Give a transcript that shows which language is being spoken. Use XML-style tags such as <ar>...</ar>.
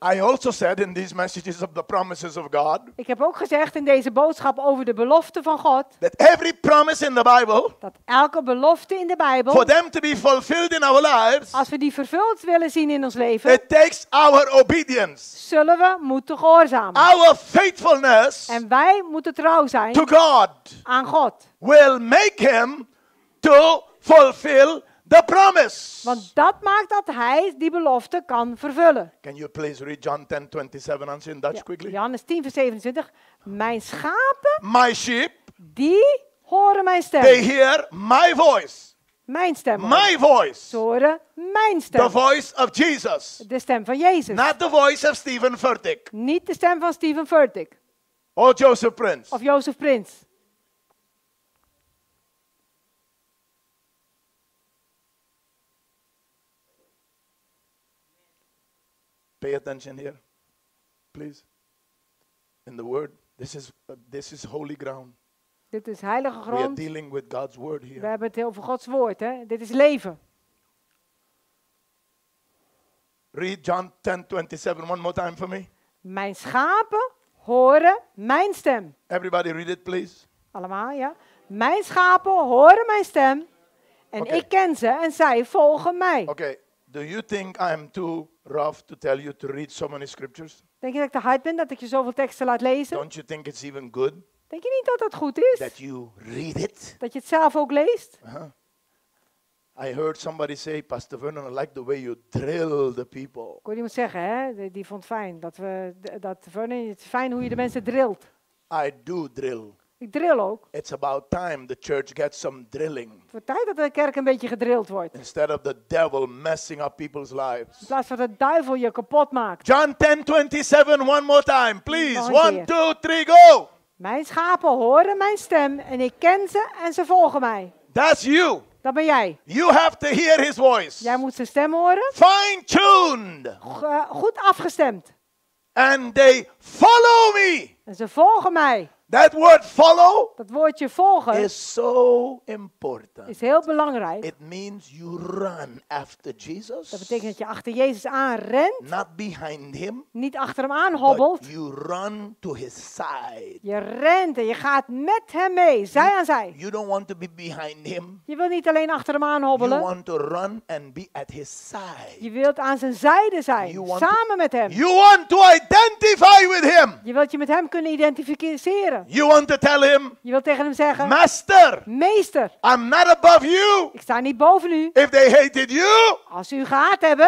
<en>I also said in these messages of the promises of God.</en> <nl>Ik heb ook gezegd in deze boodschap over de belofte van God.</nl> <en>That every promise in the Bible.</en> <nl>Dat elke belofte in de Bijbel.</nl> <en>For them to be fulfilled in our lives.</en> <nl>Als we die vervuld willen zien in ons leven.</nl> <en>It takes our obedience.</en> <nl>Zullen we moeten gehoorzamen.</nl> <en>Our faithfulness.</en> <nl>En wij moeten trouw zijn.</nl> <en>To God.</en> <nl>Aan God.</nl> <en>Will make him to fulfill the promise.</en> <nl>Want dat maakt dat hij die belofte kan vervullen.</nl> <en>Can you please read John 10, 27 and in Dutch quickly?</en> <nl>Johannes 10, vers 27. Mijn schapen.</nl> <en>My sheep.</en> <nl>Die horen mijn stem.</nl> <en>They hear my voice.</en> <nl>Mijn stem.</nl> <en>My voice.</en> <nl>Ze horen mijn stem.</nl> <en>The voice of Jesus.</en> <nl>De stem van Jezus.</nl> <en>Not the voice of Stephen Furtick.</en> <nl>Niet de stem van Stephen Furtick.</nl> <en>Or Joseph Prince.</en> <nl>Of Joseph Prince.</nl> <en>Pay attention here, please. In the word, this is holy ground.</en> <nl>Dit is heilige grond.</nl> <en>We are dealing with God's word here.</en> <nl>We hebben het over Gods woord, hè? Dit is leven.</nl> <en>Read John 10, 27 one more time for me.</en> <nl>Mijn schapen horen mijn stem.</nl> <en>Everybody read it, please.</en> <nl>Allemaal, ja. Mijn schapen horen mijn stem. En okay. Ik ken ze en zij volgen mij.</nl> <en>Okay. Do you think I am too rough to tell you to read so many scriptures?</en> <nl>Denk je dat ik te hard ben dat ik je zoveel teksten laat lezen?</nl> <en>Don't you think it's even good?</en> <nl>Denk je niet dat dat goed is?</nl> <en>That you read it?</en> <nl>Dat je het zelf ook leest? Uh-huh.</nl> <en>I heard somebody say, Pastor Vernon, I like the way you drill the people.</en> <nl>Ik hoorde iemand zeggen, hè? Die vond fijn dat Vernon, het is fijn hoe je de mensen drilt.</nl> <en>I do drill.</en> <nl>Ik drill ook.</nl> <en>It's about time the church gets some drilling.</en> <nl>Voor tijd dat de kerk een beetje gedrild wordt.</nl> <en>Instead of the devil messing up people's lives.</en> <nl>In plaats van de duivel je kapot maakt.</nl> <en>John 10, 27, one more time, please. One, two, three, go.</en> <nl>Mijn schapen horen mijn stem en ik ken ze en ze volgen mij.</nl> <en>That's you.</en> <nl>Dat ben jij.</nl> <en>You have to hear his voice.</en> <nl>Jij moet zijn stem horen.</nl> <en>Fine-tuned.</en> <nl>Goed afgestemd.</nl> <en>And they follow me.</en> <nl>En ze volgen mij.</nl> <en>That word follow.</en> <nl>Dat woordje volgen.</nl> <en>Is so important.</en> <nl>Is heel belangrijk.</nl> <en>It means you run after Jesus.</en> <nl>Dat betekent dat je achter Jezus aanrent.</nl> <en>Not behind him.</en> <nl>Niet achter hem aanhobbelt.</nl> <en>You run to his side.</en> <nl>Je rent en je gaat met hem mee, zij aan zij.</nl> <en>You don't want to be behind him.</en> <nl>Je wilt niet alleen achter hem aanhobbelen.</nl> <en>You want to run and be at his side.</en> <nl>Je wilt aan zijn zijde zijn, samen met hem.</nl> <en>You want to identify with him.</en> <nl>Je wilt je met hem kunnen identificeren.</nl> <en>You want to tell him,</en> <nl>je wilt tegen hem zeggen,</nl> <en>Master,</en> <nl>meester,</nl> <en>I'm not above you.</en> <nl>Ik sta niet boven u.</nl> <en>If they hated you,</en> <nl>als ze u gehaat hebben,</nl>